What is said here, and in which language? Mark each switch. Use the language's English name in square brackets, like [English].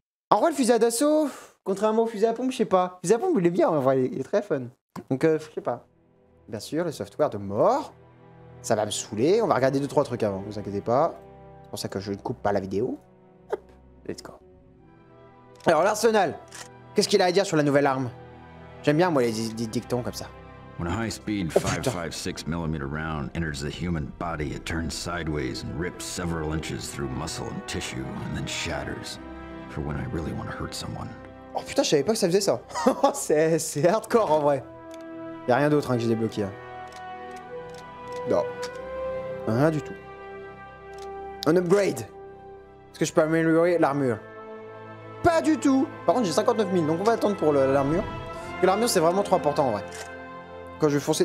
[French] En vrai, le fusil d'assaut, contrairement au fusil à pompe, je sais pas. Le fusil à pompe, il est bien, en vrai, il est très fun. Donc, je sais pas. Bien sûr, le software de mort, ça va me saouler. On va regarder 2-3 trucs avant, vous inquiétez pas. C'est pour ça que je ne coupe pas la vidéo. Hop, [English] let's go. [French] Alors l'arsenal, qu'est-ce qu'il a à dire sur la nouvelle arme? J'aime bien moi les dictons comme ça. [English] When a high speed 5.56 mm round enters the human body, it turns sideways and rips several inches through muscle and tissue and then shatters for when I really want to hurt someone. [French] Oh putain, je savais pas que ça faisait ça. c'est hardcore en vrai. Y'a rien d'autre hein, que j'ai débloqué. Hein. Non. Rien du tout. Un upgrade. Est-ce que je peux améliorer l'armure? Pas du tout. Par contre, j'ai 59 000, donc on va attendre pour l'armure. Parce que l'armure, c'est vraiment trop important, en vrai. Quand je vais foncer...